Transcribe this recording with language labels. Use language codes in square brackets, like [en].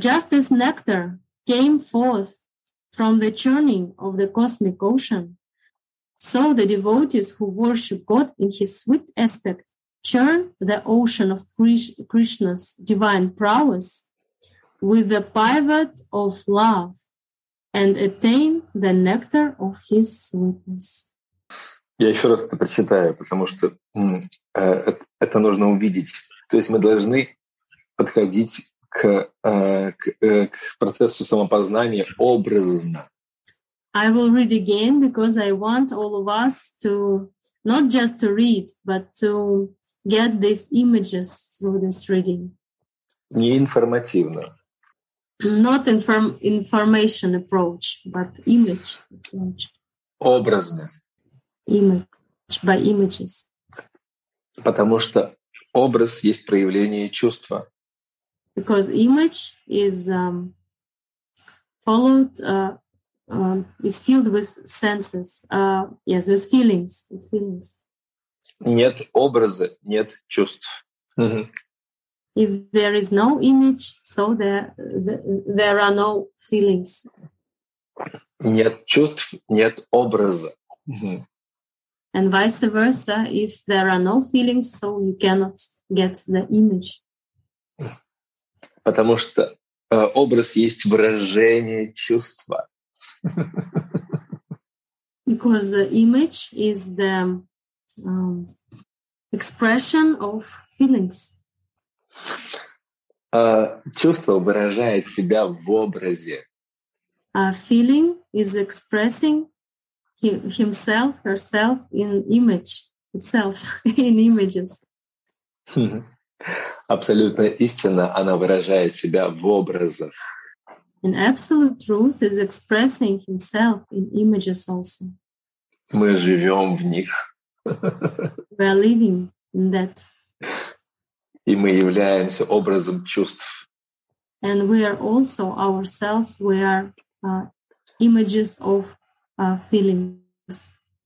[en] Just as nectar came forth from the churning of the cosmic ocean, so the devotees who worship God in his sweet aspect churn the ocean of Krishna's divine prowess with the pivot of love and attain the nectar of his sweetness. [ru] Я еще раз это прочитаю, потому что это нужно увидеть. То есть мы должны подходить к процессу самопознания образно. [en] I will read again because I want all of us to not just to read, but to get these images through this reading. [ru] Не информативно. [en] Not information approach, but image approach. [ru] Образно. [en] Image by images. [ru] Потому что образ есть проявление чувства. [en] Because image is followed is filled with senses, yes, with feelings. With feelings. [ru] Нет образа, нет чувств. [en] If there is no image, so there are no feelings. [ru] Нет чувств, нет образа. [en] And vice versa, if there are no feelings, so you cannot get the image. [ru] Потому что образ есть выражение чувства. [en] Because the image is the expression of feelings. [ru] Чувство выражает себя в образе. [en] A feeling is expressing himself, herself in image, itself in images. [ru] Абсолютная истина, она выражает себя в образах. [en] An absolute truth is expressing himself in images also. [ru] Мы живем в них. [en] We are living in that. [ru] И мы являемся образом чувств. [en] And we are also ourselves, we are images of feelings.